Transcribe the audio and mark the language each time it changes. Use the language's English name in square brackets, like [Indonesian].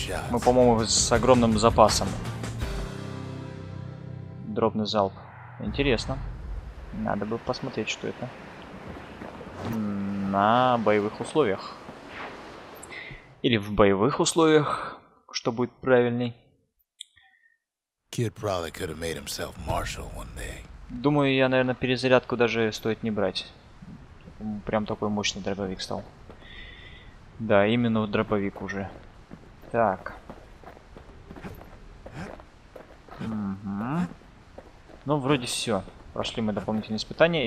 [Russian] Мы, по-моему, с огромным запасом. Дробный залп. Интересно. Надо бы посмотреть, что это. На боевых условиях. Или в боевых условиях, что будет правильней. [English] Kid probably could have made himself marshal one day. [Russian] Думаю, я, наверное, перезарядку даже стоит не брать. Прям такой мощный дробовик стал. Да, именно вот дробовик уже. Так. Ну, вроде все. Прошли мы дополнительные испытания.